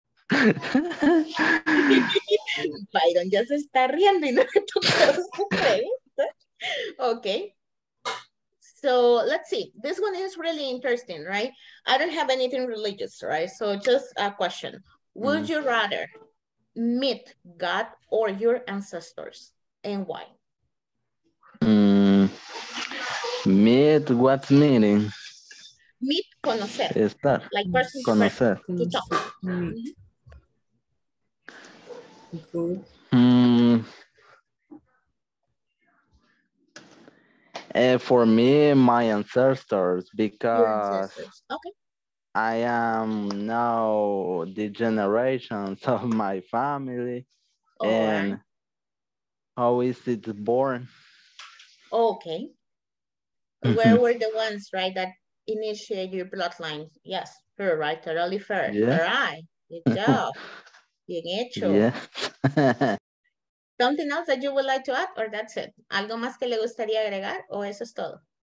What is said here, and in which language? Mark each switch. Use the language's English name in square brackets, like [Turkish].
[Spanish] Biden ya se está riendo y no me toca su pregunta. [English] Okay. So let's see, this one is really interesting, right? I don't have anything religious, right? So just a question. Would you rather meet God or your ancestors, and why? Meet, what meaning? [Spanish] Meet, conocer. Estar. [English] Like person to [Spanish] conocer. [English] To talk. For me, my ancestors, because I am now the generations of my family, and how is it born? Okay. Where were the ones, right, that initiate your bloodline? Yes, her, right? Totally fair. Yeah. All right. Good job. [Spanish] Bien hecho. [English] Yeah. Something else that you would like to add, or that's it? [Spanish] ¿Algo más que le gustaría agregar, o eso es todo?